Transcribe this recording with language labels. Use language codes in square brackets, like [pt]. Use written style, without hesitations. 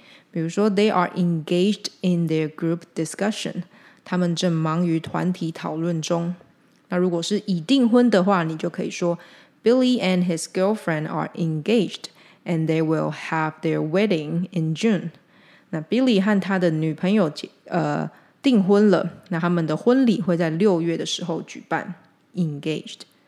[zh] 比如说, [en] they are engaged in their group discussion. [zh] 他们正忙于团体讨论中。那如果是已订婚的话, 你就可以说, [en] Billy and his girlfriend are engaged, and they will have their wedding in June. [zh] 那Billy和他的女朋友订婚了, 那他们的婚礼会在6月的时候举办, engaged.